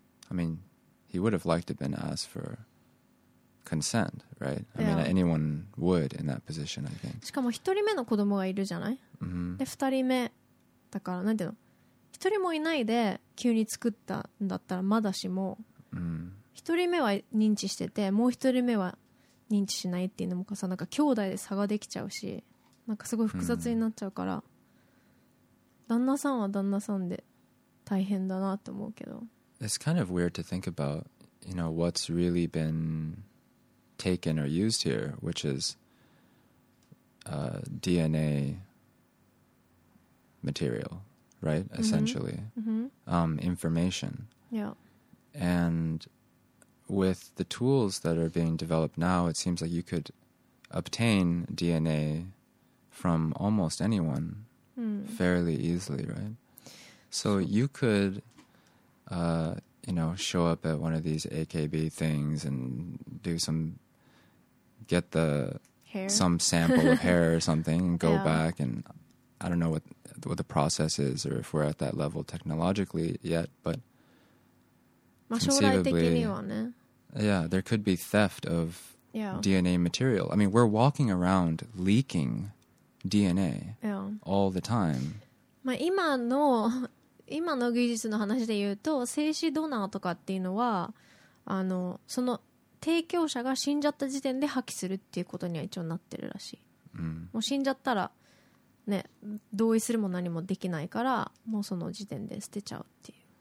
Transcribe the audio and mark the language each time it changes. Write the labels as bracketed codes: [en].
[en] I mean, he would have liked to been asked for. Consent, right? I mean, anyone would in that position, I think. [ja] しかも一人目の子供がいるじゃない。で、二人目だから、なんていうの、一人もいないで急に作ったんだったらまだしも、一人目は認知してて、もう一人目は認知しないっていうのもさ、なんか兄弟で差ができちゃうし、なんかすごい複雑になっちゃうから、旦那さんは旦那さんで大変だなと思うけど。 [en] It's kind of weird to think about, you know, what's really been taken or used here, which is DNA material, right? Mm-hmm. Essentially. Mm-hmm. Information. Yeah. And with the tools that are being developed now, it seems like you could obtain DNA from almost anyone fairly easily, right? So you could, you know, show up at one of these AKB things and do some, get the hair, some sample of hair or something, and go back, and I don't know what the process is or if we're at that level technologically yet, but conceivably, yeah, there could be theft of DNA material. I mean, we're walking around leaking DNA all the time. [ja] まあ今の技術の話で言うと、精子ドナーとかっていうのは、あのその提供者が死んじゃった時点で破棄するっていうことには一応なってるらしい。もう死んじゃったらね、同意するも何もできないから、もうその時点で捨てちゃうっていう。